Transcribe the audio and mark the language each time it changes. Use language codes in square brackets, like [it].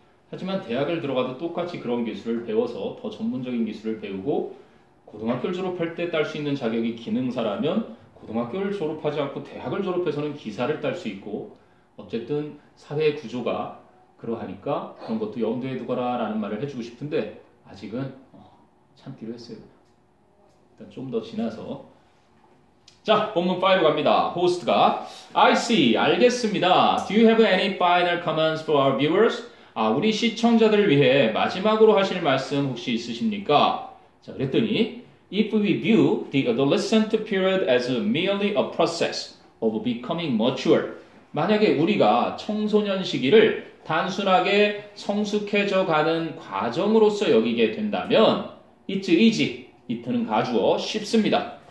[ko] 하지만 대학을 들어가도 똑같이 그런 기술을 배워서 더 전문적인 기술을 배우고 고등학교를 졸업할 때 딸 수 있는 자격이 기능사라면 고등학교를 졸업하지 않고 대학을 졸업해서는 기사를 딸 수 있고 어쨌든 사회 구조가 그러하니까 그런 것도 염두에 두거라 라는 말을 해주고 싶은데 아직은 참기로 했어요. 일단 좀 더 지나서 자 본문 5 갑니다. 호스트가 [en] I see, [ko] 알겠습니다. [en] Do you have any final comments for our viewers? [ko] 아, 우리 시청자들을 위해 마지막으로 하실 말씀 혹시 있으십니까? 자, 그랬더니 [en] If we view the adolescent period as merely a process of becoming mature, [ko] 만약에 우리가 청소년 시기를 단순하게 성숙해져가는 과정으로서 여기게 된다면 [en] It's easy, it는 [ko] 가주어, 쉽습니다.